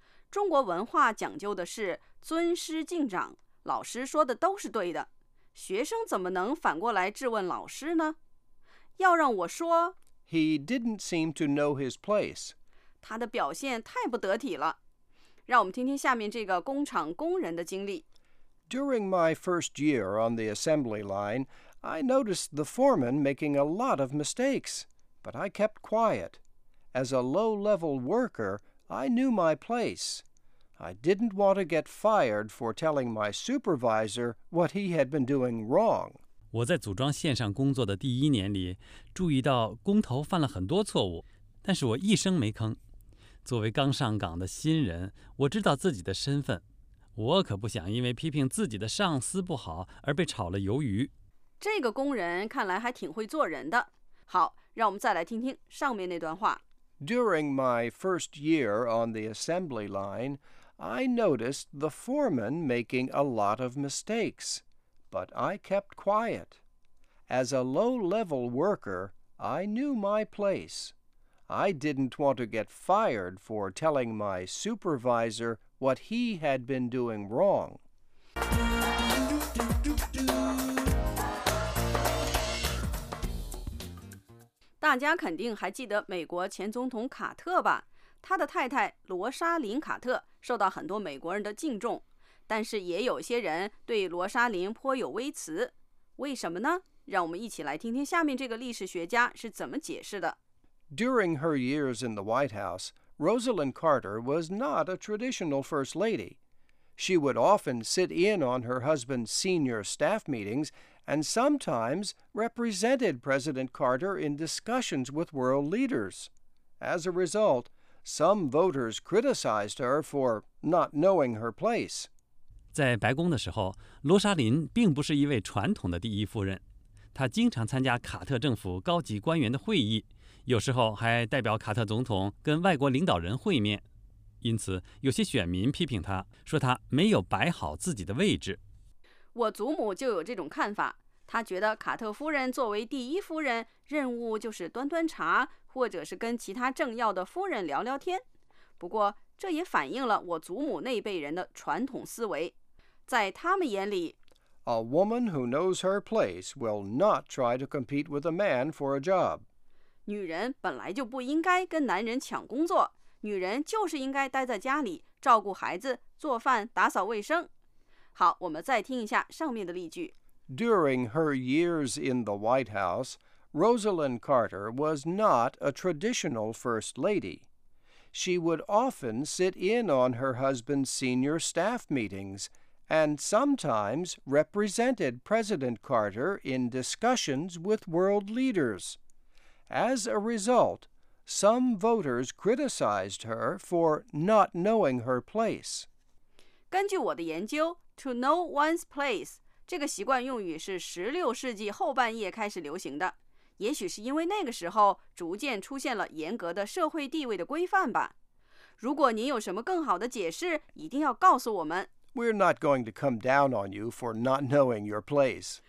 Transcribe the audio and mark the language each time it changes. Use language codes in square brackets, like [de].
[zh] 中国文化讲究的是尊师敬长，老师说的都是对的，学生怎么能反过来质问老师呢？要让我说， [en] He didn't seem to know his place. [zh] 他的表现太不得体了。让我们听听下面这个工厂工人的经历。 [en] During my first year on the assembly line, I noticed the foreman making a lot of mistakes, but I kept quiet. As a low-level worker, I knew my place. I didn't want to get fired for telling my supervisor what he had been doing wrong. [zh] 我在组装线上工作的第一年里，注意到工头犯了很多错误，但是我一声没吭。作为刚上岗的新人，我知道自己的身份，我可不想因为批评自己的上司不好而被炒了鱿鱼。这个工人看来还挺会做人的。好，让我们再来听听上面那段话。 [en] During my first year on the assembly line, I noticed the foreman making a lot of mistakes, but I kept quiet. As a low-level worker, I knew my place. I didn't want to get fired for telling my supervisor what he had been doing wrong. [zh] 大家肯定还记得美国前总统卡特吧？他的太太罗莎琳·卡特受到很多美国人的敬重，但是也有些人对罗莎琳颇有微词。为什么呢？让我们一起来听听下面这个历史学家是怎么解释的。 [en] During her years in the White House, Rosalind Carter was not a traditional first lady. She would often sit in on her husband's senior staff meetings and sometimes represented President Carter in discussions with world leaders. As a result, some voters criticized her for not knowing her place. [zh] 在白宫的时候，罗莎琳并不是一位传统的第一夫人，她经常参加卡特政府高级官员的会议，有时候还代表卡特总统跟外国领导人会面，因此有些选民批评他，说他没有摆好自己的位置。我祖母就有这种看法，她觉得卡特夫人作为第一夫人，任务就是端端茶，或者是跟其他政要的夫人聊聊天。不过这也反映了我祖母那辈人的传统思维，在他们眼里， [en] A woman who knows her place will not try to compete with a man for a job. [zh] 女人本来就不应该跟男人抢工作，女人就是应该待在家里照顾孩子，做饭，打扫卫生。好，我们再听一下上面的例句。 During her years in the White House, Rosalind Carter was not a traditional first lady. She would often sit in on her husband's senior staff meetings and sometimes represented President Carter in discussions with world leaders. As a result, some voters criticized her for not knowing her place. 根据我的研究， [en] To know one's place [zh] 这个习惯用语是16世纪后半叶开始流行的，也许是因为那个时候逐渐出现了严格的社会地位的规范吧。如果您有什么更好的解释，一定要告诉我们。 [en] We're not going to come down on you for not knowing your place.